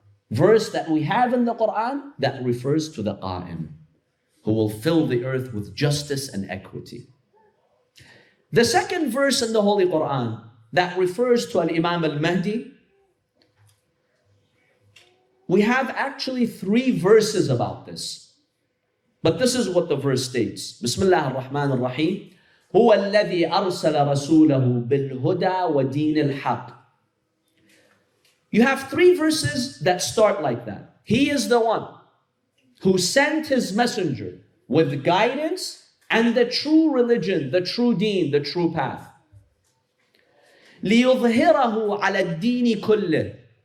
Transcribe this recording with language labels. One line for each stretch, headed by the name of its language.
English: verse that we have in the Quran that refers to the Qa'im, who will fill the earth with justice and equity. The second verse in the Holy Quran that refers to Al-Imam Al-Mahdi, we have actually three verses about this. But this is what the verse states.
Arabic: Bismillah ar-Rahman ar-Rahim. هو الذي أرسل رسوله بالهدى ودين الحق.
English: You have three verses that start like that. He is the one who sent his messenger with guidance and the true religion, the true deen, the true path.
Arabic: ليظهره على الدين كله.